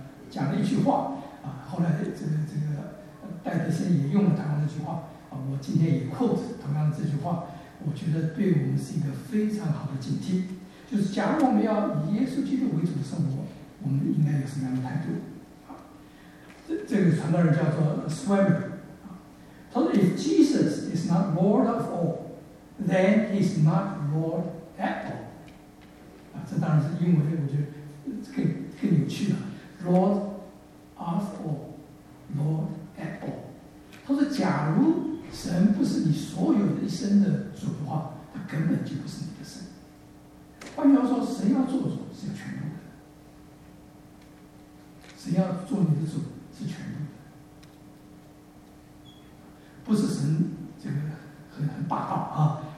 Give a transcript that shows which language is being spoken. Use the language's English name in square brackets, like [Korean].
[Chinese] 讲了一句话后来这个戴德森也用了同样的句话我今天也 quote 同样的这句话，我觉得对我们是一个非常好的警惕，就是假如我们要以耶稣基督为主的生活，我们应该有什么样的态度。这个传道人叫做 Swammer， 他说 [English] If Jesus is not Lord of all, then he's not Lord at all. [Chinese] 啊，这当然是英文，我觉得更有趣了。 [English] Lord of all, Lord at all. [Chinese] 他说，假如神不是你所有的一生的主的话，他根本就不是你的神。换句话说，神要做主是有权柄的，神要做你的主是权柄的，不是神这个很霸道啊。